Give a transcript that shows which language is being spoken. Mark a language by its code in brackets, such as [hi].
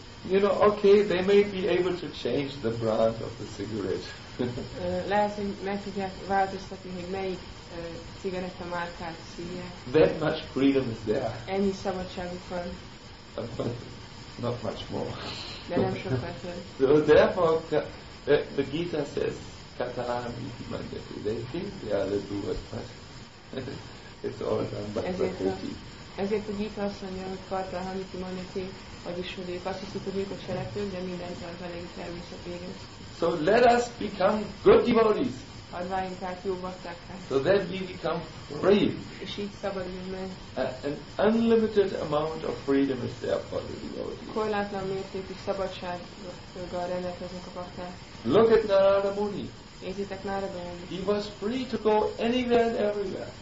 [en] You know, okay, they may be able to change the brand of the cigarette. [hu] Lehet, hogy meg tudják változtatni, hogy melyik cigaretta márkát szívják. [en] That much freedom is there. [hu] Ennyi szabadságuk van. [en] But not much more. [hu] De nem sokkal több. [en] So therefore, the Gita says, Katarami Himandati, they think they are the doers, but it's all done by Prakriti. [hu] Ezért a Gita azt mondja, hogy Karta Hamiti Maneti, vagyis hogy ők azt hiszik, hogy ők a cselekvők, de mindent az anyagi természet végez. [en] So let us become good devotees. [hu] Hadd váljunk át jó baktákká. [en] So then we become free. [hu] És így szabaduljunk meg. [en] An unlimited amount of freedom is there for the devotees. [hu] Korlátlan mértékű szabadsággal rendelkeznek a bakták. [en] Look at Narada Muni. [hu] Nézzétek Narada Muni. [en] He was free to go anywhere and everywhere.